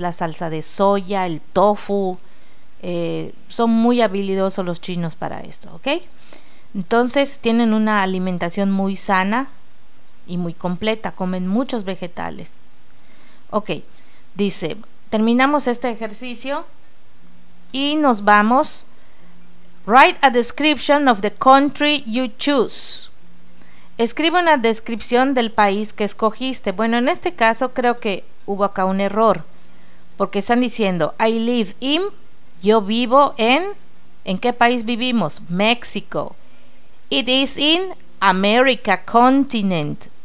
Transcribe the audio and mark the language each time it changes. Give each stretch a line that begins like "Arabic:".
Spanish: La salsa de soya, el tofu. Son muy habilidosos los chinos para esto, ¿ok? Entonces tienen una alimentación muy sana y muy completa. Comen muchos vegetales. Ok, dice, terminamos este ejercicio y nos vamos.
English: Write a description of the country you choose.
Spanish: Escribe una descripción del país que escogiste. Bueno, en este caso creo que hubo acá un error, porque están diciendo
English: I live in,
Spanish: yo vivo en. ¿En qué país vivimos? México.
English: It is in America continent.